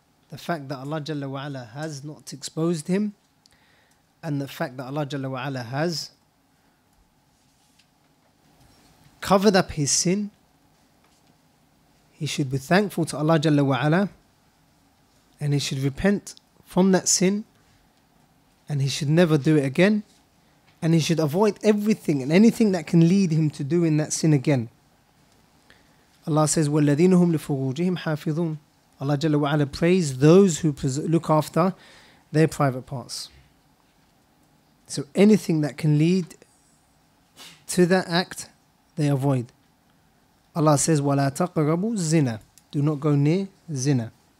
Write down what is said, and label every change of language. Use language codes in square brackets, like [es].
[en] The fact that Allah jalla wa ala has not exposed him, and the fact that Allah jalla wa ala has covered up his sin, he should be thankful to Allah jalla wa ala, and he should repent from that sin, and he should never do it again, and he should avoid everything and anything that can lead him to doing that sin again. [ar] Allah says, وَالَّذِينَ هُمْ لِفُرُوجِهِمْ حَافِظُونَ. [en] Allah Jalla wa Ala praise those who look after their private parts. So anything that can lead to that act, they avoid. Allah says, وَلَا تَقْرَبُوا الزِّنَا. Do not go near zina.